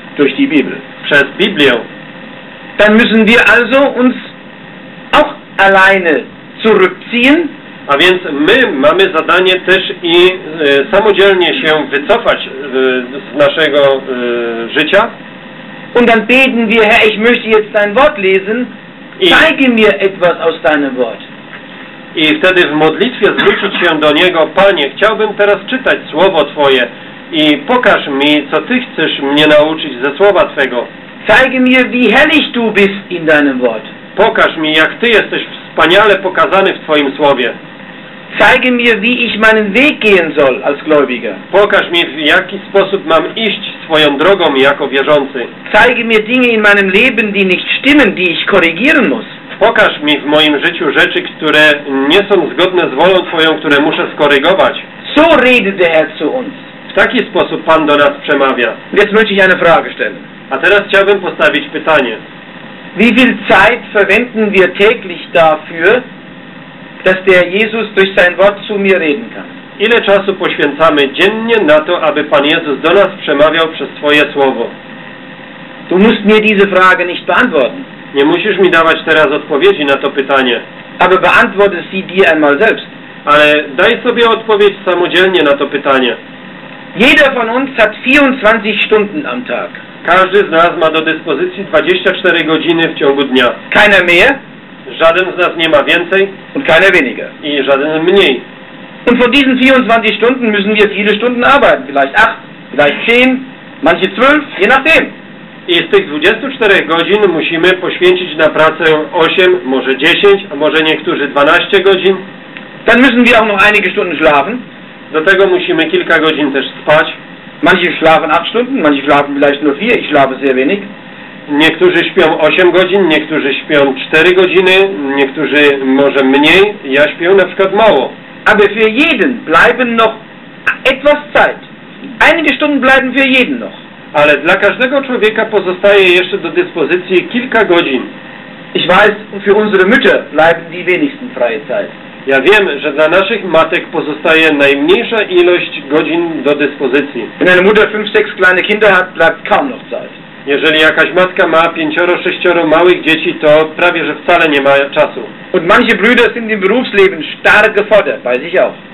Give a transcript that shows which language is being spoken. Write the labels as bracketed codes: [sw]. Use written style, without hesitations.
[de] Durch die Bibel. [pl] Przez Biblię. [de] Dann müssen wir also uns auch alleine zurückziehen. [pl] A więc my mamy zadanie też i samodzielnie się wycofać z naszego życia. [de] Und dann beten wir, Herr, ich möchte jetzt dein Wort lesen. Zeige mir etwas aus deinem Wort. [pl] I wtedy w modlitwie zwrócić się do Niego, Panie, chciałbym teraz czytać Słowo Twoje. I pokaż mi, co Ty chcesz mnie nauczyć ze Słowa Twego. [de] Zeige mir, wie herrlich du bist in deinem Wort. [pl] Pokaż mi, jak Ty jesteś wspaniale pokazany w Twoim Słowie. [de] Zeige mir, wie ich meinen Weg gehen soll als Gläubiger. [pl] Pokaż mi, w jaki sposób mam iść swoją drogą jako wierzący. [de] Zeige mir Dinge in meinem Leben, die nicht stimmen, die ich korrigieren muss. [pl] Pokaż mi w moim życiu rzeczy, które nie są zgodne z wolą Twoją, które muszę skorygować. [de] So redet der Herr zu uns. [pl] W taki sposób Pan do nas przemawia. [de] Jetzt möchte ich eine Frage stellen. [pl] A teraz chciałbym postawić pytanie. [de] Wie viel Zeit verwenden wir täglich dafür, dass der Jesus durch sein Wort zu mir reden kann? [pl] Ile czasu poświęcamy dziennie na to, aby Pan Jezus do nas przemawiał przez swoje słowo? [de] Du musst mir diese Frage nicht beantworten. [pl] Nie musisz mi dawać teraz odpowiedzi na to pytanie. [de] Aber beantworte sie dir einmal selbst. [pl] Ale daj sobie odpowiedź samodzielnie na to pytanie. [de] Jeder von uns hat 24 Stunden am Tag. [pl] Każdy z nas ma do dyspozycji 24 godziny w ciągu dnia. [de] Keiner mehr. [pl] Żaden z nas nie ma więcej. [de] Und keiner weniger. [pl] I żaden mniej. [de] Und von diesen 24 Stunden müssen wir viele Stunden arbeiten. Vielleicht 8, vielleicht 10, manche 12, je nachdem. [pl] I z tych 24 godzin musimy poświęcić na pracę 8, może 10, a może niektórzy 12 godzin. [de] Dann müssen wir auch noch einige Stunden schlafen. [pl] Do tego musimy kilka godzin też spać. [de] Manche schlafen 8 Stunden, manche schlafen vielleicht nur 4, ich schlafe sehr wenig. [pl] Niektórzy śpią 8 godzin, niektórzy śpią 4 godziny, niektórzy może mniej, ja śpię na przykład mało. [de] Aber für jeden bleiben noch etwas Zeit. Einige Stunden bleiben für jeden noch. [pl] Ale dla każdego człowieka pozostaje jeszcze do dyspozycji kilka godzin. [de] Ich weiß, für unsere Mütter bleiben die wenigsten freie Zeit. [pl] Ja wiem, że dla naszych matek pozostaje najmniejsza ilość godzin do dyspozycji. [de] Wenn eine Mutter 5-6 kleine Kinder hat, bleibt kaum noch Zeit. [pl] Jeżeli jakaś matka ma 5-6 małych dzieci, to prawie że wcale nie ma czasu. [de] Und manche Brüder sind im Berufsleben stark gefordert, weiß ich auch.